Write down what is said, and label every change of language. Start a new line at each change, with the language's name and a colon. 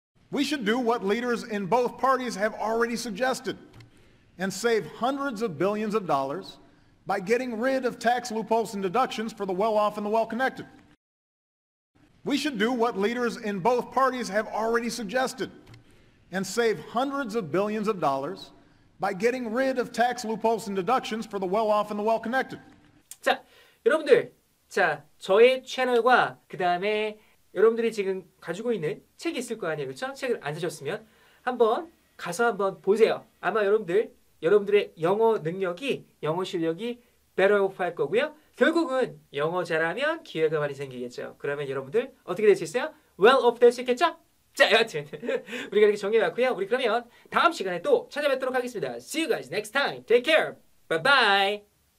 English: We should do what leaders in both parties have already suggested and save hundreds of billions of dollars by getting rid of tax loopholes and deductions for the well-off and the well-connected. We should do what leaders in both parties have already suggested and save hundreds of billions of dollars by getting rid of tax loopholes and deductions for the well-off and the well-connected.
Korean: 자, 여러분들, 자, 저의 채널과 그다음에 여러분들이 지금 가지고 있는 책이 있을 거 아니에요. 그렇죠? 책을 안 사셨으면 한번 가서 한번 보세요. 아마 여러분들의 영어 능력이, 영어 실력이 better off 할 거고요. 결국은 영어 잘하면 기회가 많이 생기겠죠. 그러면 여러분들 어떻게 될 수 있어요? Well off 될 수 있겠죠? 자, 여하튼 우리가 이렇게 정해봤고요. 우리 그러면 다음 시간에 또 찾아뵙도록 하겠습니다.
English: See you guys next time. Take care. Bye-bye.